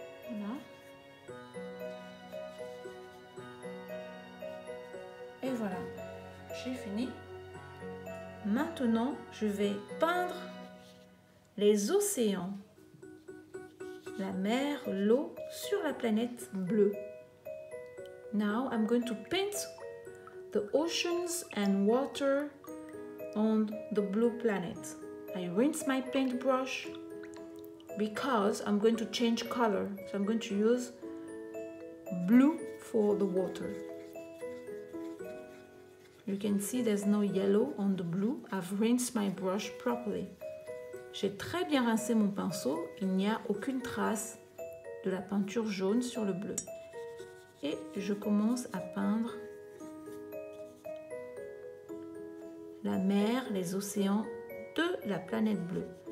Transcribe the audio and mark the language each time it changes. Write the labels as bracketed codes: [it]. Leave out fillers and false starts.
[fr] Voilà. Et voilà, j'ai fini. Maintenant, je vais peindre les océans, la mer, l'eau sur la planète bleue. [en] Now I'm going to paint the oceans and water on the blue planet. I rinse my paintbrush because I'm going to change color. So I'm going to use blue for the water. You can see there's no yellow on the blue. I've rinsed my brush properly. [fr] J'ai très bien rincé mon pinceau, il n'y a aucune trace de la peinture jaune sur le bleu. Et je commence à peindre la mer, les océans de la planète bleue.